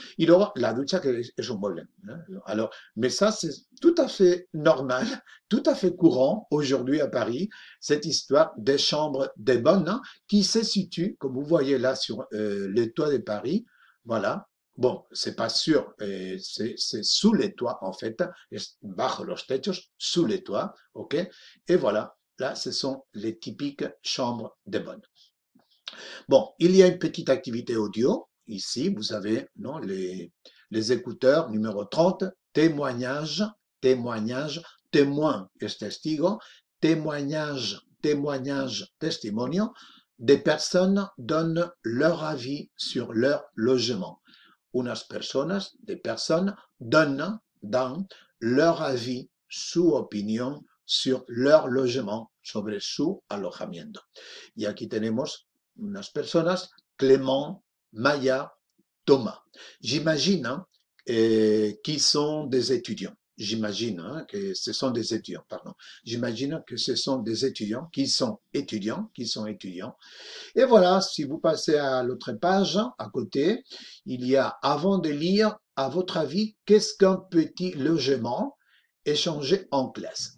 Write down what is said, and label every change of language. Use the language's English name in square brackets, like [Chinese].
[Spanish] Y luego la ducha, que es un mueble, ¿no? [French] Alors, mais ça, c'est tout à fait normal, tout à fait courant aujourd'hui à Paris, cette histoire des chambres des bonnes qui se situe, comme vous voyez là, sur le toit de Paris. Voilà. Bon, c'est pas sûr, c'est sous les toits, en fait, [Spanish] es bajo los techos, [French] sous les toits, ok? Et voilà, là, ce sont les typiques chambres des bonnes. Bon, il y a une petite activité audio. Ici, vous avez non, les écouteurs numéro 30, témoignage, témoin est testigo, témoignage, testimonio, des personnes donnent leur avis sur leur logement. [Spanish] Unas personas, [French] des personnes donnent leur avis, [Spanish] su opinión, [French] sur leur logement, [Spanish] sobre su alojamiento. Y aquí tenemos unas personas, Clément, Maya, Thomas. [French] J'imagine qu'ils sont des étudiants. J'imagine que ce sont des étudiants, qu'ils sont étudiants. Et voilà, si vous passez à l'autre page, à côté, il y a, avant de lire, à votre avis, qu'est-ce qu'un petit logement échangé en classe?